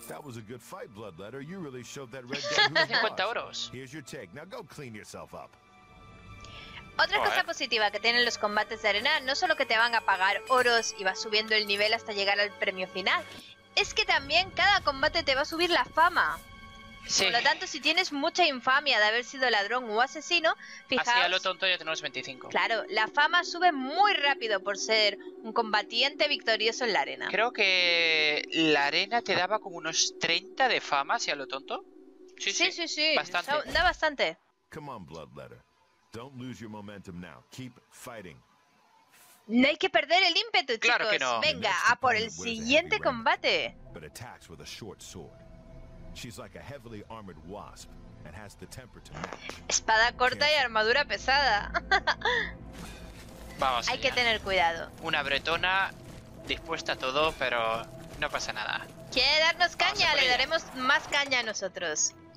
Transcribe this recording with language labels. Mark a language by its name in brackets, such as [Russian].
[English] That was a good fight, Bloodletter. You really showed that red guy who was 50 euros. Here's your take. Now go clean yourself up. [Spanish] Otra cosa positiva que tienen los combates de arena, no solo que te van a pagar oros y vas subiendo el nivel hasta llegar al premio final, es que también cada combate te va a subir la fama. Sí. Por lo tanto, si tienes mucha infamia de haber sido ladrón o asesino, fijaos... Así a lo tonto ya tenemos 25. Claro, la fama sube muy rápido por ser un combatiente victorioso en la arena. Creo que la arena te daba como unos 30 de fama, si a lo tonto. Sí, sí, sí, sí, bastante. O sea, da bastante. [English] Come on, Bloodletter. Don't lose your momentum now. Keep fighting. [Spanish] No hay que perder el ímpetu, chicos. Claro que no. Venga, a por el siguiente combate. [English] But attacks with a short sword. She's like a heavily armored wasp and has the temper to match. [Spanish] Espada corta y armadura pesada. Vamos. Hay que tener cuidado. Una bretona dispuesta a todo, pero no pasa nada. ¿Quiere darnos caña? Le daremos más caña a nosotros.